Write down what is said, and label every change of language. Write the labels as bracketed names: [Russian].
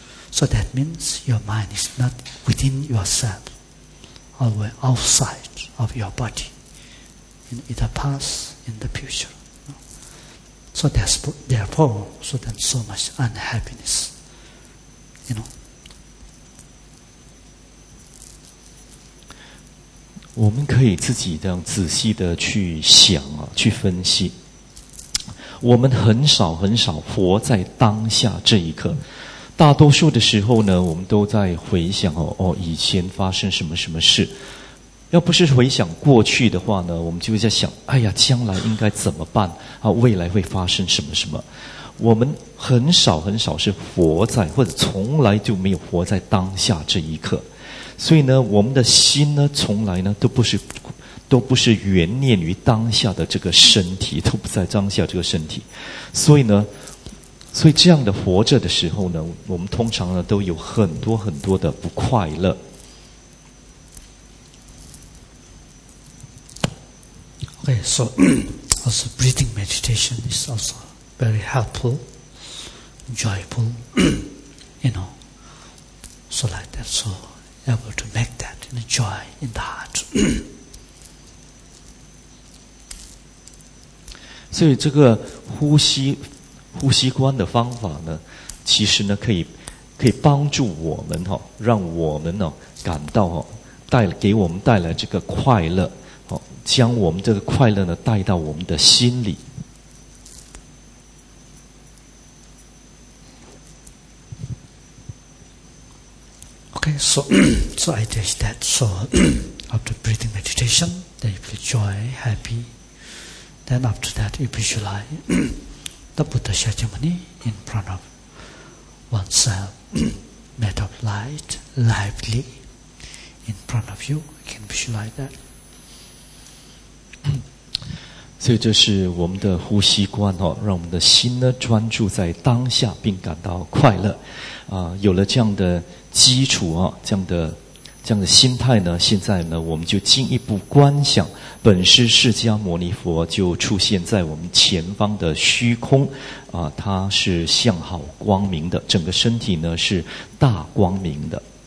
[English] So that means your mind is not within yourself, always outside of your body, in the past, in the future. So therefore, so then so much unhappiness, you know. [Chinese] 我们可以自己这样仔细的去想啊，去分析。我们很少很少活在当下这一刻，大多数的时候呢，我们都在回想哦，以前发生什么什么事。要不是回想过去的话呢，我们就在想，哎呀，将来应该怎么办啊？未来会发生什么什么？我们很少很少是活在，或者从来就没有活在当下这一刻。所以呢，我们的心呢，从来呢都不是原念于当下的这个身体，都不在当下这个身体。所以呢，所以这样的活着的时候呢，我们通常呢都有很多很多的不快乐。 [English] Okay, so also breathing meditation is also very helpful, enjoyable, you know, so like that, so able to make that joy in the heart. [Chinese] 所以这个呼吸观的方法呢，其实呢可以帮助我们哈，让我们呢感到哈，给我们带来这个快乐。将我们这个快乐呢带到我们的心里。 [English] Okay, so I teach that. So after breathing meditation, then you feel joy, happy. Then after that, you visualize the Buddha Shakyamuni in front of oneself, made of light, lively, in front of you. You can visualize that. [Chinese] 所以这是我们的呼吸观哦，让我们的心呢专注在当下，并感到快乐。有了这样的基础哦，这样的心态呢，现在呢，我们就进一步观想本师释迦牟尼佛就出现在我们前方的虚空啊，他是相好光明的，整个身体呢是大光明的。